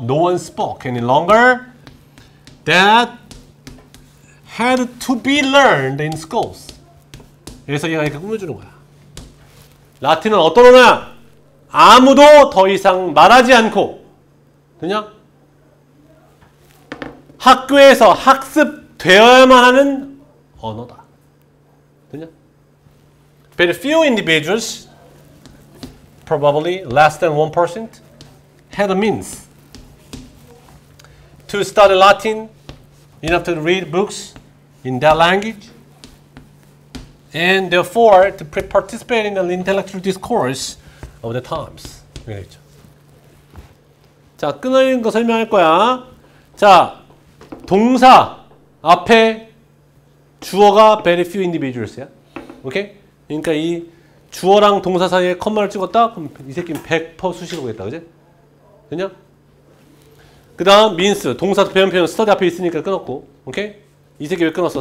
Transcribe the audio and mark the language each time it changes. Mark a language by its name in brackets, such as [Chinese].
[English] No one spoke any longer that had to be learned in schools. [Korean] 그래서 얘가 이렇게 꾸며주는 거야. 라틴어는 어떤 언어야? 아무도 더 이상 말하지 않고 그냥 학교에서 학습되어야만 하는 언어다. [English] 그냥 But few individuals, probably less than 1%, had a means to study Latin enough to read books in that language and therefore to participate in the intellectual discourse of the times. [Korean] 그렇죠. 자, 끊어진 거 설명할 거야. 자, 동사 앞에 주어가 very few individuals야. 오케이? 그러니까 이 주어랑 동사 사이에 콤마를 찍었다? 그럼 이 새끼는 100% 수식어겠다. 그지? 됐냐? 그 다음 means, 동사 배운 표현 study 앞에 있으니까 끊었고. 오케이? 이 새끼 왜 끊었어?